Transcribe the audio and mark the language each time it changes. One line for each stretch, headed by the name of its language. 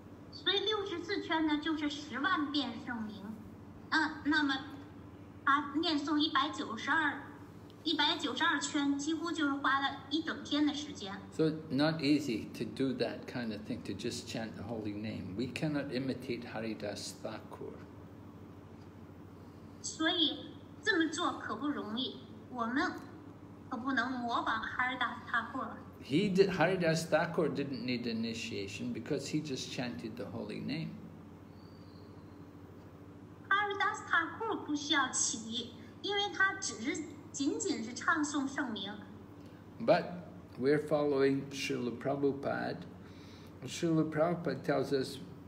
Chinese: 所以六十四圈呢，就是10万遍圣名。那么他念诵192圈，几乎就是花了一整天的时间。
English: So not easy to do that kind of thing, to just chant the holy name. We cannot imitate Haridas Thakur.
Chinese: 所以这么做可不容易，我们可不能模仿哈尔达斯塔库。
English: Haridas Thakur didn't need initiation because he just chanted the holy name.
Chinese: Haridas Thakur 不需要起立，因为他只是仅仅是唱诵圣名。
English: But we're following Srila Prabhupada. Srila Prabhupada tells us